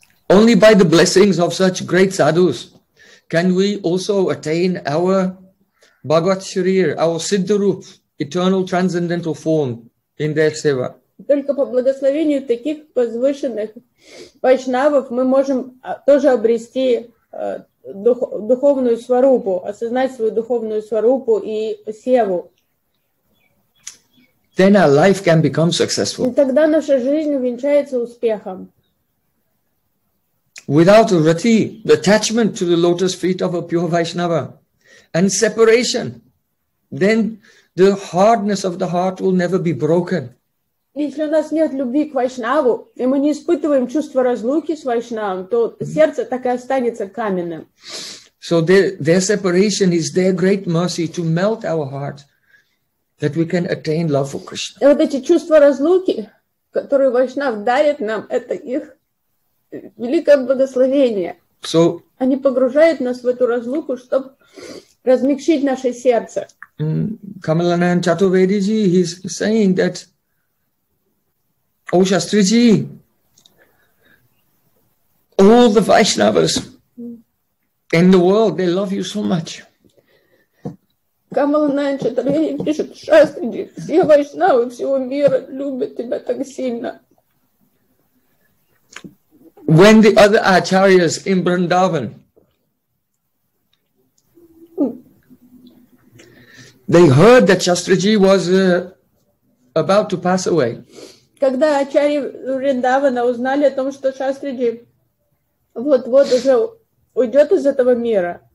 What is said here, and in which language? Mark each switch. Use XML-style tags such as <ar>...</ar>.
<en>Only by the blessings of such great sadhus can we also attain our Bhagavat Sharir, our Siddharup, eternal transcendental form in their seva.</en> <ru>Только по благословению таких возвышенных вайшнавов мы можем тоже обрести духовную сварупу, осознать свою духовную сварупу и севу.</ru> <en>Then our life can become successful.</en> <ru>И тогда наша жизнь увенчается успехом.</ru> <en>Without a rati, the attachment to the lotus feet of a pure Vaishnava, and separation, then the hardness of the heart will never be broken.</en> <ru>Если у нас нет любви к Вайшнаву, и мы не испытываем чувство разлуки с Вайшнавом, то сердце так и останется каменным.</ru> <en>So their separation is their great mercy to melt our heart, that we can attain love for Krishna.</en> <ru>И вот эти чувства разлуки, которые Вайшнав дарит нам, это их великое благословение.</ru> <en>So,</en> <ru>они погружают нас в эту разлуку, чтобы размягчить наше сердце.</ru> <en>Камаланан Чатурведиджи, he's saying that oh, Shastriji, all the Vaishnavas in the world, they love you so much.</en> <ru>Камаланан Чатурведи пишет, Шастриджи, все Вайшнавы всего мира любят тебя так сильно.</ru> <en>When the other Acharyas in Vrindavan, they heard that Shastriji was about to pass away.</en> <ru>Когда Ачарьи Вриндавана узнали о том, что Шастриджи вот-вот уже уйдет из этого мира.</ru>